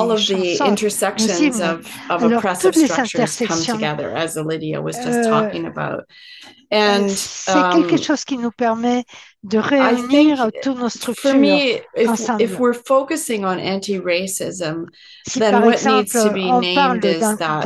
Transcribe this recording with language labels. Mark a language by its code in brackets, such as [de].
[en] All of the intersections of oppressive structures come together, as Lydia was just talking about. And [fr] c'est quelque chose qui nous permet de réunir toutes nos structures ensemble. [en] For me, if we're focusing on anti-racism, [fr] si [en] then what needs to be named is that